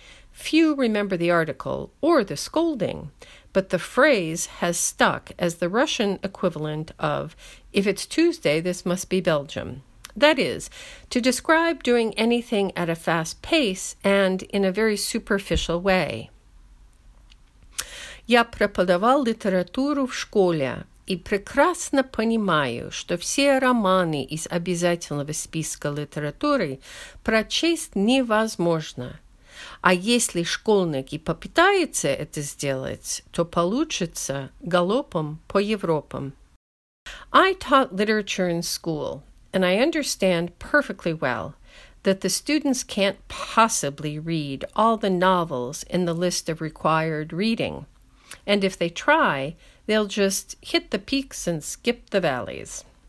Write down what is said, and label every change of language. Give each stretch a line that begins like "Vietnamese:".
English: Few remember the article or the scolding, but the phrase has stuck as the Russian equivalent of, "If it's Tuesday, this must be Belgium." That is, to describe doing anything at a fast pace and in a very superficial way.
Russian: Я преподавал литературу в школе и прекрасно понимаю, что все романы из обязательного списка литературы прочесть невозможно. А если школьник и попытается это сделать, то получится галопом по Европам.
English: I taught literature in school, and I understand perfectly well that the students can't possibly read all the novels in the list of required reading. And if they try, they'll just hit the peaks and skip the valleys.